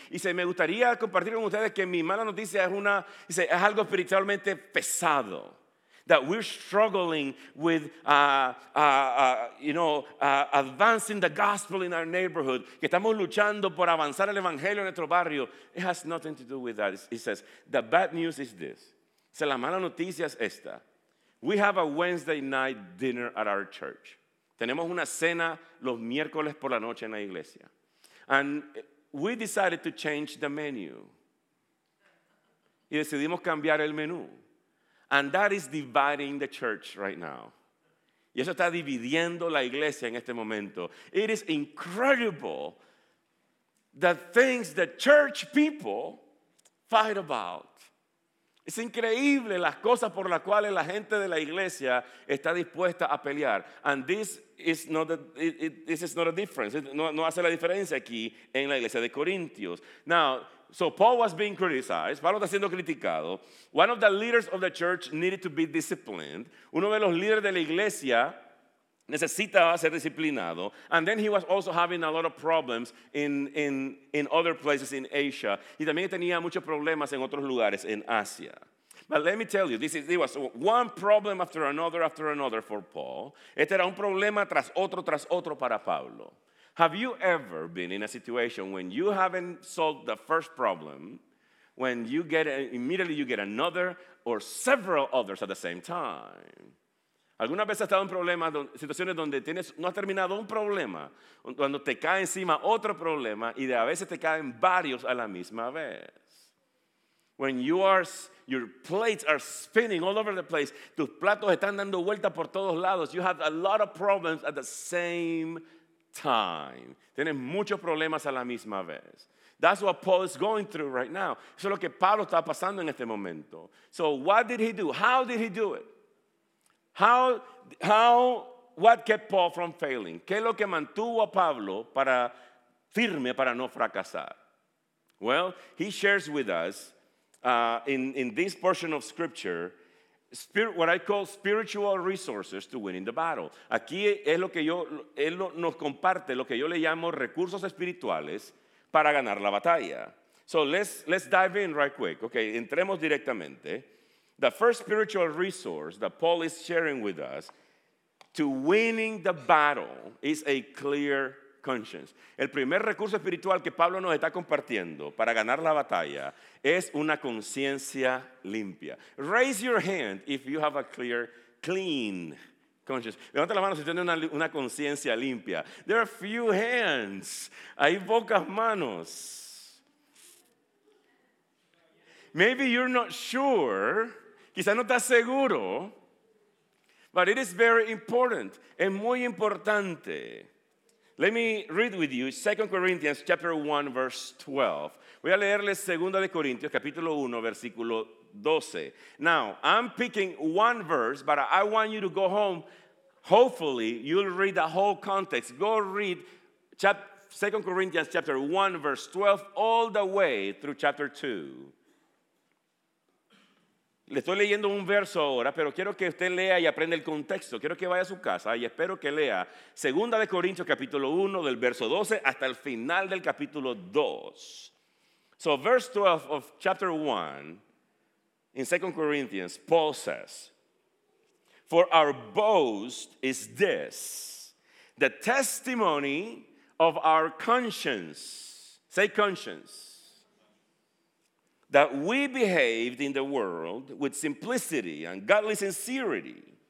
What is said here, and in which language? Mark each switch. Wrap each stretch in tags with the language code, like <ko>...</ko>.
<en>He says,</en> <es>me gustaría compartir con ustedes que mi mala noticia es algo espiritualmente pesado.</es> <en>That we're struggling with, advancing the gospel in our neighborhood.</en> <es>Que estamos luchando por avanzar el evangelio en nuestro barrio.</es> <en>It has nothing to do with that. He says, the bad news is this.</en> <es>Se la mala noticia es esta.</es> <en>We have a Wednesday night dinner at our church.</en> <es>Tenemos una cena los miércoles por la noche en la iglesia.</es> <en>And we decided to change the menu.</en> <es>Y decidimos cambiar el menú.</es> <en>And that is dividing the church right now.</en> <es>Y eso está dividiendo la iglesia en este momento.</es> <en>It is incredible the things that church people fight about.</en> <es>Es increíble las cosas por las cuales la gente de la iglesia está dispuesta a pelear.</es> <en>And this is not a difference.</en> <es>No hace la diferencia aquí en la iglesia de Corintios.</es> <en>Now, so Paul was being criticized.</en> <es>Pablo está siendo criticado.</es> <en>One of the leaders of the church needed to be disciplined.</en> <es>Uno de los líderes de la iglesia necesita ser disciplinado.</es> <en>And then he was also having a lot of problems in other places in Asia.</en> <es>Y también tenía muchos problemas en otros lugares en Asia.</es> <en>But let me tell you, it was one problem after another for Paul.</en> <es>Este era un problema tras otro para Pablo.</es> <en>Have you ever been in a situation when you haven't solved the first problem, when you get another or several others at the same time?</en> <es>¿Alguna vez has estado en problemas, situaciones donde no has terminado un problema, cuando te cae encima otro problema y de a veces te caen varios a la misma vez?</es> <en>When your plates are spinning all over the place,</en> <es>tus platos están dando vueltas por todos lados,</es> <en>you have a lot of problems at the same time.</en> <es>Tienes muchos problemas a la misma vez.</es> <en>That's what Paul is going through right now.</en> <es>Eso es lo que Pablo está pasando en este momento.</es> <en>So what did he do? How did he do it? What kept Paul from failing?</en> <es>¿Qué es lo que mantuvo a Pablo para no fracasar?</es> <en>Well, he shares with us in this portion of scripture, what I call spiritual resources to win in the battle.</en> <es>Aquí es lo que él nos comparte, lo que yo le llamo recursos espirituales para ganar la batalla.</es> <en>So let's dive in right quick. Okay,</en> <es>entremos directamente.</es> <en>The first spiritual resource that Paul is sharing with us to winning the battle is a clear conscience.</en> <es>El primer recurso espiritual que Pablo nos está compartiendo para ganar la batalla es una conciencia limpia.</es> <en>Raise your hand if you have a clean conscience.</en> <es>Levanta la mano si tiene una conciencia limpia.</es> <en>There are few hands.</en> <es>Hay pocas manos.</es> <en>Maybe you're not sure.</en> <es>Quizá no estás seguro.</es> <en>But it is very important.</en> <es>Es muy importante.</es> <en>Let me read with you 2 Corinthians chapter 1, verse 12.</en> <es>Voy a leerles 2 de Corintios, capítulo 1, versículo 12.</es> <en>Now, I'm picking one verse, but I want you to go home. Hopefully, you'll read the whole context. Go read 2 Corinthians chapter 1, verse 12, all the way through chapter 2.</en> <es>Le estoy leyendo un verso ahora, pero quiero que usted lea y aprenda el contexto. Quiero que vaya a su casa y espero que lea 2 de Corintios capítulo 1, del verso 12 hasta el final del capítulo 2.</es> <en>So verse 12 of chapter 1 in 2 Corinthians, Paul says, "For our boast is this, the testimony of our conscience," say conscience, "that we behaved in the world with simplicity and godly sincerity,</en>